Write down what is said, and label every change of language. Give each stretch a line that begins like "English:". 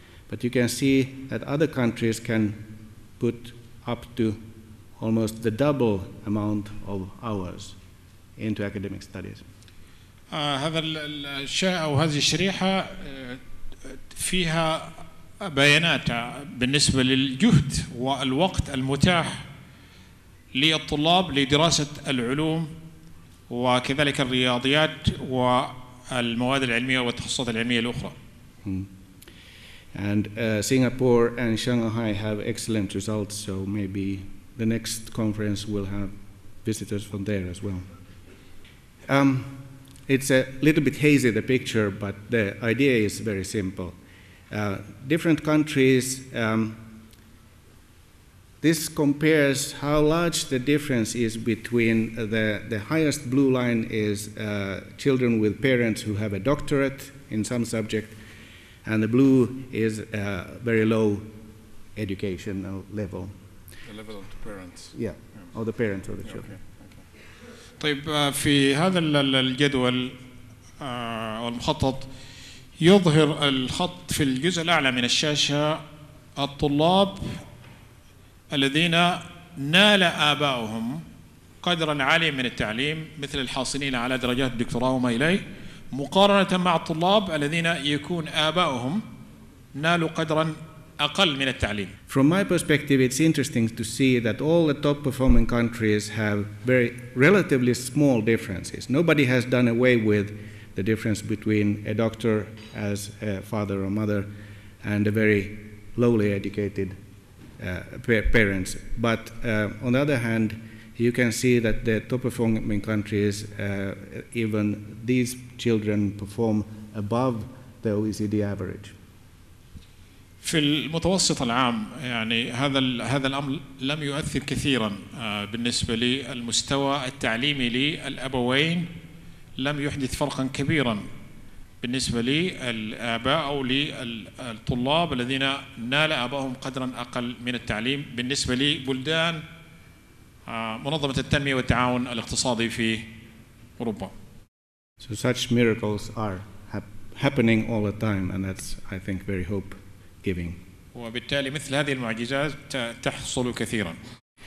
English: But you can see that other countries can put up to almost the double amount of hours into academic studies.
Arabic: هذا الشيء أو هذه الشريحة فيها بيانات بالنسبة للجهد والوقت المتاح للطلاب لدراسة العلوم وكذلك الرياضيات والمواد العلمية والتخصصات العلمية الأخرى.
English: And Singapore and Shanghai have excellent results, so maybe the next conference will have visitors from there as well. It's a little bit hazy, the picture, but the idea is very simple. Different countries, this compares how large the difference is between the highest blue line is children with parents who have a doctorate in some subject, and the blue is very low educational level. The level of the parents. Yeah, or the parents or the children. Okay.
Arabic: طيب في هذا الجدول والمخطط يظهر الخط في الجزء الأعلى من الشاشة الطلاب الذين نال آباؤهم قدرا عاليا من التعليم مثل الحاصلين على درجات الدكتوراه وما إليه مقارنة مع الطلاب الذين يكون آباؤهم نالوا قدرا أقل من التعليم.
English: From my perspective, it's interesting to see that all the top performing countries have very relatively small differences. Nobody has done away with the difference between a doctor as a father or mother and a very lowly educated parents. But on the other hand, you can see that the top performing countries, even these children perform above the OECD average.
Arabic: في المتوسط العام يعني هذا الأمر لم يؤثر كثيرا بالنسبة للمستوى التعليمي للأبوين لم يحدث فرقا كبيرا بالنسبة للآباء أو للطلاب الذين نال آباءهم قدرا أقل من التعليم بالنسبة لبلدان منظمة التنمية والتعاون الاقتصادي في أوروبا.
English: So such miracles are happening all the time and that's I think very hope.
Arabic: وبالتالي مثل هذه المعجزات تحصل كثيرا.